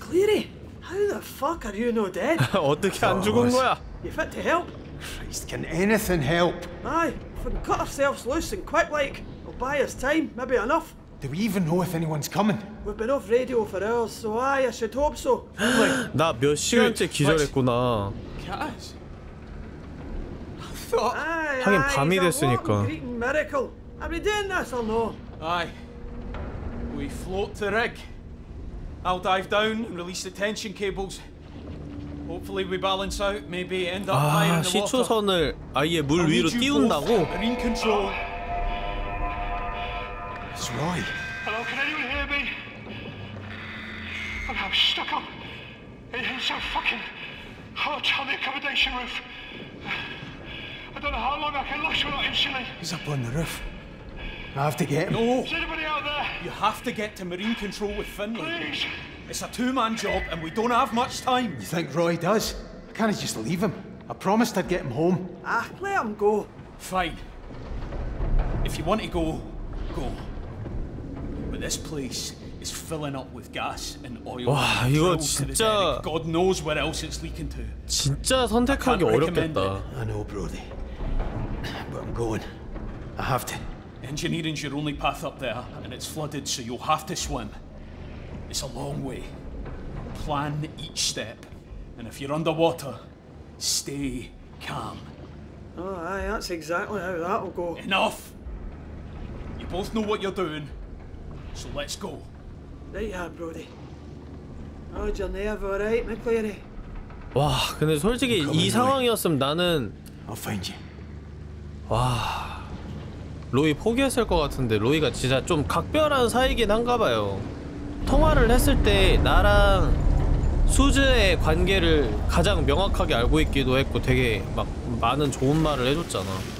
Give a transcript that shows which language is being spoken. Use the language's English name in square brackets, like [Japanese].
[English] Cleary, how the fuck are you no dead? [Korean] 어떻게 안 죽은 거야? [English] You fit to help? Christ, can anything help? Aye, if we can cut ourselves loose and quick like, we'll buy us time, maybe enough. Do we even know if anyone's coming? We've been off radio for hours, so aye, I should hope so. [Korean] 나 몇 시간째 기절했구나. [English] Cash? I thought... [Korean] 하긴 밤이 됐으니까. [English] Aye, greeting miracle. Are we doing this or no? Aye. We float the rig. I'll dive down and release the tension cables. Hopefully we balance out, maybe end up high in the water. [Korean] 시추선을 아예 물 위로 띄운다고? [English] Marine control. It's Roy. Hello, can anyone hear me? And I'm stuck up in his fucking hut on the accommodation roof. I don't know how long I can last without insulin. He's up on the roof. I have to get him. No! Is anybody out there? You have to get to Marine Control with Finley. Please! It's a two-man job and we don't have much time. You think Roy does? Can't I just leave him? I promised I'd get him home. Ah, let him go. Fine. If you want to go, go. But this place is filling up with gas and oil. [Korean] 와, 이거 진짜... [English] God knows where else it's leaking to. [Korean] 진짜 선택하기 어렵겠다. [English] I know, Brody. But I'm going. I have to. Engineering's your only path up there, and it's flooded, so you'll have to swim. It's a long way. Plan each step, and if you're underwater, stay calm. Oh, aye, that's exactly how that'll go. Enough! You both know what you're doing, so let's go. There you are, Brody. How's your nerve, all right, McCleary? [Korean] 와, 근데 솔직히 이 상황이었으면 나는... [English] I'll find you. 와... [Korean] 로이 포기했을 것 같은데 로이가 진짜 좀 각별한 사이긴 한가봐요. 통화를 했을 때 나랑 수즈의 관계를 가장 명확하게 알고 있기도 했고 되게 막 많은 좋은 말을 해줬잖아.